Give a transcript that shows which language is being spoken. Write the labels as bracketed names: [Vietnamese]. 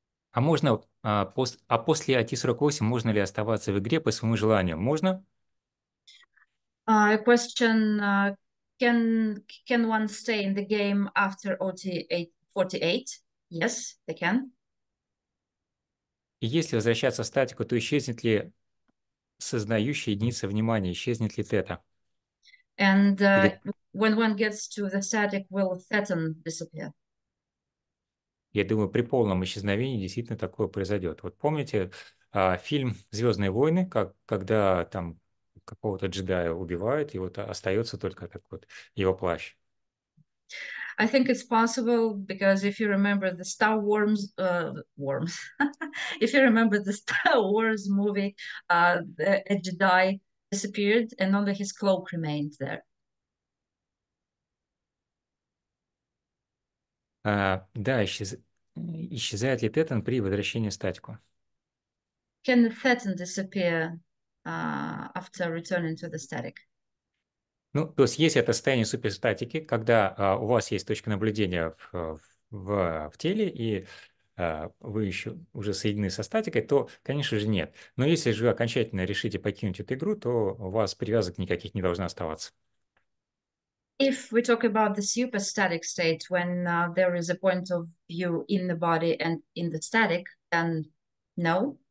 [Russian] А можно, после IT-48 можно ли оставаться в игре по своему желанию? Можно? [English] A question... Can one stay in the game after OT-48? Yes, they can. [Russian] Если возвращаться в статику, то исчезнет ли сознающая единица внимания? Исчезнет ли тета? [English] And when one gets to the static, will theta disappear? [Russian] Я думаю, при полном исчезновении действительно такое произойдет. Вот помните фильм «Звездные войны», когда там какого-то джедая убивают, и вот остается только так вот его плащ. [English] I think it's possible because if you remember the Star Wars, Worms, if you remember the Star Wars movie, a Jedi disappeared and only his cloak remained there. [Russian] Да, исчезает ли Тетан при возвращении в статику? [English] Can the Thetan disappear after returning to the static? [Russian] Ну, то есть есть это состояние суперстатики, когда у вас есть точка наблюдения в теле, и вы еще уже соединены со статикой, то, конечно же, нет. Но если же вы окончательно решите покинуть эту игру, то у вас привязок никаких не должно оставаться. [English] If we talk about the superstatic state, when there is a point of view in the body and in the static, then no.